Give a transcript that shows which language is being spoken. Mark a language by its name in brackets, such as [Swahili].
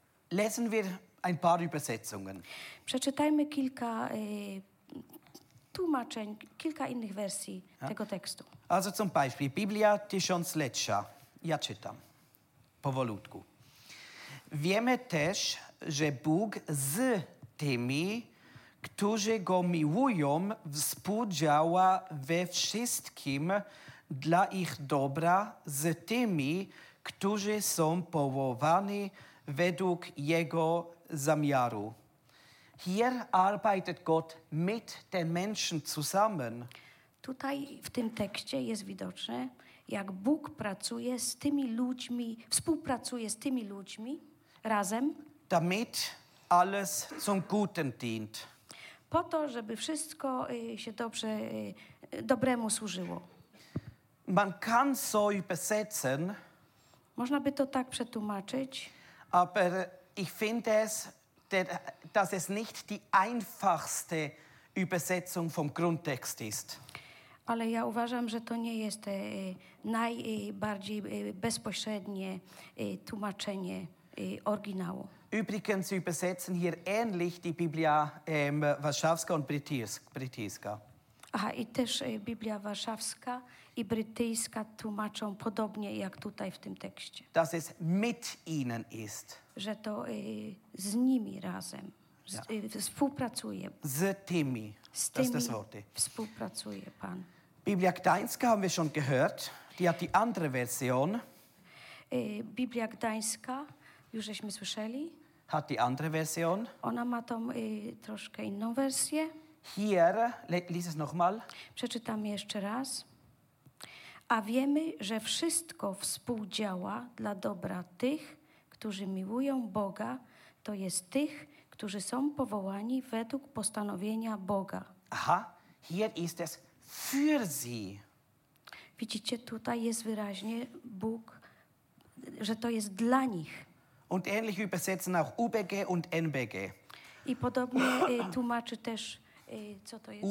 [German] Lesen wir ein paar Übersetzungen. [Polish] Przeczytajmy kilka tłumaczeń, kilka innych wersji tego tekstu. [German] Also zum Beispiel, [Polish] Biblia tysiąclecia. Ja czytam powolutku. Wiemy też, że Bóg z tymi, którzy go miłują, współdziała we wszystkim dla ich dobra, z tymi, którzy są powołani według jego zamiaru. [German] Hier arbeitet Gott mit den Menschen zusammen. [Polish] Tutaj w tym tekście jest widoczne, jak Bóg pracuje z tymi ludźmi, współpracuje z tymi ludźmi razem. [German] Damit alles zum Guten dient. [Polish] Po to, żeby wszystko się dobrze, dobremu służyło. [German] Man kann so übersetzen. [Polish] Można by to tak przetłumaczyć. [German] Aber ich finde es, dass es nicht die einfachste Übersetzung vom Grundtext ist. [Polish] Ale ja uważam, że to nie jest najbardziej bezpośrednie tłumaczenie oryginału. [German] Übrigens übersetzen hier ähnlich die Biblia Warszawska und Brytyjska. [Polish] Aha, i też Biblia Warszawska i Brytyjska tłumaczą podobnie jak tutaj w tym tekście. [German] Dass es mit ihnen ist. [Polish] Że to z nimi razem współpracuje. Z tymi. Z tymi [German] das Worte. [Polish] Współpracuje Pan. [German] Biblia Gdańska haben wir schon gehört. Die hat die andere Version. [Polish] Biblia Gdańska. Już żeśmy słyszeli. [German] Hat die andere Version. [Polish] Ona ma tą troszkę inną wersję. [German] Hier, lies es nochmal. [Polish] Przeczytam jeszcze raz. A wiemy, że wszystko współdziała dla dobra tych, którzy miłują Boga, to jest tych, którzy są powołani według postanowienia Boga. [German] Aha, hier ist es für sie. [Polish] Widzicie, tutaj jest wyraźnie Bóg, że to jest dla nich. [German] Und ähnlich übersetzen auch UBG und NBG. [Polish] I podobnie tłumaczy też, co to jest.